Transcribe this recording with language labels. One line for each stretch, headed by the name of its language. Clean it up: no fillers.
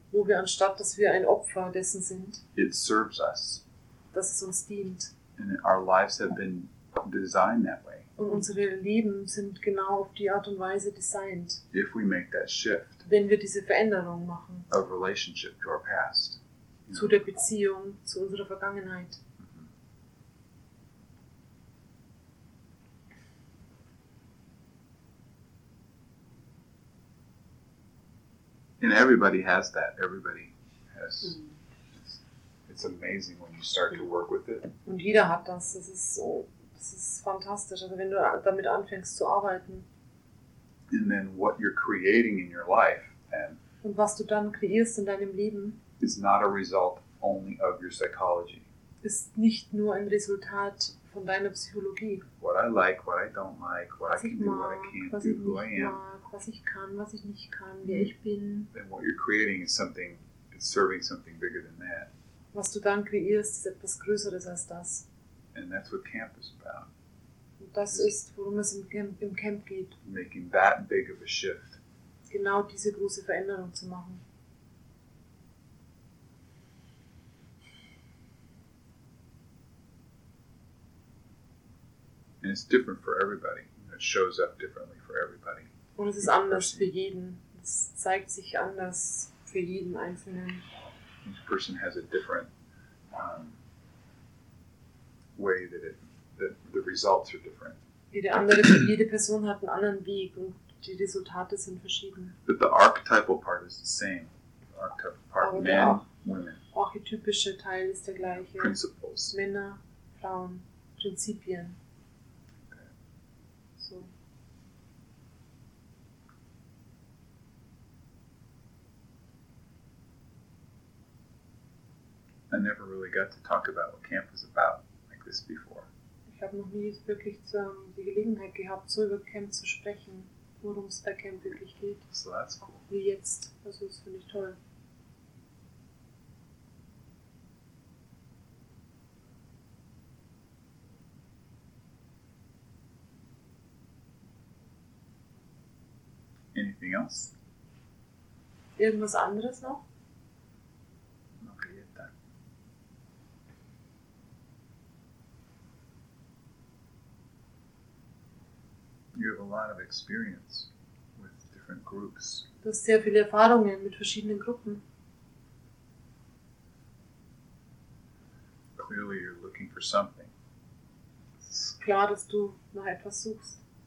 German: wo wir anstatt, dass wir ein Opfer dessen sind,
English: it serves us.
German: Dass es uns dient.
English: And our lives have been designed that way.
German: Und unsere Leben sind genau auf die Art und Weise designed.
English: If we make that shift,
German: wenn wir diese Veränderung machen,
English: of relationship to our past,
German: zu der Beziehung zu unserer Vergangenheit.
English: Mm-hmm. And everybody has that. Everybody has. Mm-hmm. It's amazing when you start to work with it.
German: Und jeder hat das. Das ist so. Das ist fantastisch, also wenn du damit anfängst zu arbeiten.
English: And then what you're creating in your life, then,
German: und was du dann kreierst in deinem Leben,
English: is not a result only of your psychology.
German: Ist nicht nur ein Resultat von deiner Psychologie.
English: What I like, what I don't like, what I can do, what I can't do, who I am.
German: Was ich kann, was ich nicht kann, wer ich bin.
English: Then what you're creating is something, it's serving something bigger than that.
German: Was du dann kreierst, ist etwas Größeres als das.
English: And that's what camp is about.
German: Und das ist, worum es im Camp geht.
English: Making that big of a shift.
German: Genau diese große Veränderung zu machen.
English: And it's different for everybody. It shows up differently for everybody.
German: Und es ist anders für jeden. Es zeigt sich anders für jeden Einzelnen.
English: Each person has a different... way that the results are different.
German: Jede Person hat einen anderen Weg und die Resultate sind verschieden.
English: But the archetypal part is the same. The archetypal part,
German: aber
English: men, women.
German: Archetypische Teil ist der gleiche.
English: Principles.
German: Männer, Frauen, Prinzipien.
English: Okay. So. I never really got to talk about what camp is about. This before.
German: Ich habe noch nie wirklich die Gelegenheit gehabt, so über Camp zu sprechen, worum es bei Camp wirklich geht.
English: So that's cool.
German: Wie jetzt. Also das finde ich toll.
English: Anything else?
German: Irgendwas anderes noch?
English: You have a lot of experience with different groups.
German: Du hast sehr viele Erfahrungen mit verschiedenen Gruppen.
English: Clearly you're looking for something.
German: Es ist klar, dass du nach etwas suchst.